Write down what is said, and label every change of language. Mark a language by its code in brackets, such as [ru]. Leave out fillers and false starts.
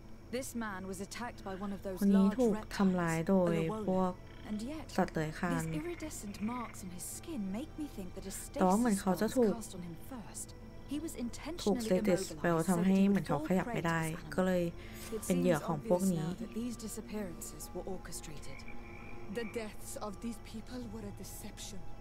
[en] This man was attacked by one of those large reptiles. [th] คนนี้ถูกทำร้ายโดยพวกสัตว์เลื้อยคลาน [en] These iridescent marks in his skin make me think that a stasis spell was cast on him first. He was intentionally immobilized. [th] ถูกสเตติสเปลทำให้เหมือนเขาขยับไม่ได้ก็เลยเป็นเหยื่อของพวกนี้ [en] These disappearances were orchestrated. The deaths of these people were a deception.